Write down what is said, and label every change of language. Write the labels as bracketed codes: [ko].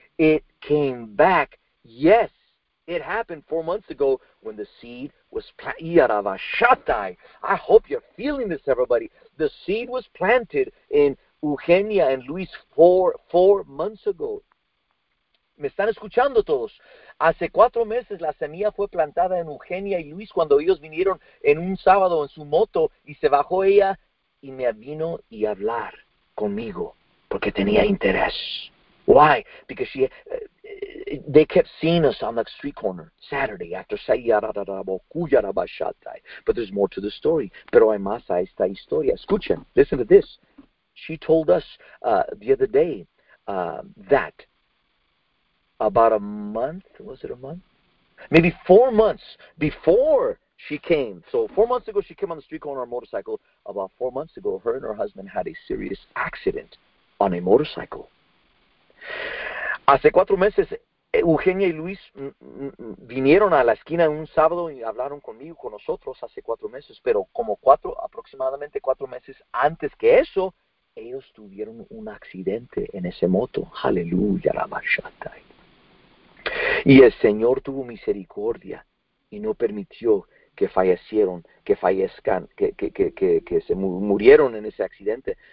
[en] It came back. Yes, it happened 4 months ago when the seed was planted. I hope you're feeling this, everybody. The seed was planted in Eugenia and Luis four months ago. [es] ¿Me están escuchando todos? Hace 4 meses la semilla fue plantada en Eugenia y Luis cuando ellos vinieron en un sábado en su moto y se bajó ella y me vino y hablar conmigo porque tenía interés. [en] Why? Because she, they kept seeing us on that street corner Saturday after Sayyara. But there's more to the story. [es] Pero hay más a esta historia. Escuchen, [en] listen to this. She told us the other day that about a month, was it a month? Maybe 4 months before she came. So 4 months ago, she came on the street corner on a motorcycle. About 4 months ago, her and her husband had a serious accident on a motorcycle. [es] Hace 4 meses, Eugenia y Luis vinieron a la esquina un sábado y hablaron conmigo, con nosotros, hace 4 meses. Pero como aproximadamente 4 meses antes que eso, ellos tuvieron un accidente en ese moto. Aleluya, la marcha. Y el Señor tuvo misericordia y no permitió que fallecieron, que fallezcan, que se murieron en ese accidente.